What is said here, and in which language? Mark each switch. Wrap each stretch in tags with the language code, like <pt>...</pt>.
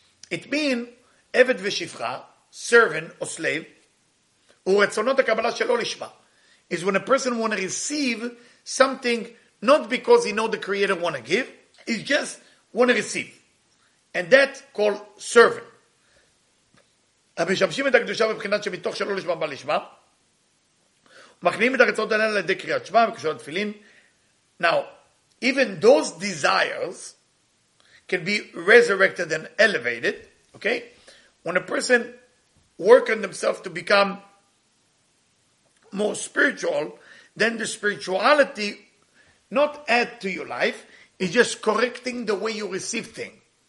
<en>It means</en> <he>Eved v'shifra,</he> <en>servant or slave,</en> <he>uretzonot ha-kabbalah shelo lishma,</he> <en>is when a person want to receive something not because he know the Creator want to give, he just want to receive. And that's called servant.</en> <he>המשמשים את הקדושה בבחינת שמתוך שלא לשמה בא לשמה, ומכנים את הרצאות הללו לידי קריאת שמה וקשור לתפילין.</he> <en>Now, even those desires can be resurrected and elevated, okay? When a person works on themselves to become more spiritual, then the spirituality not add to your life, it's just correcting the way you receive things.</en>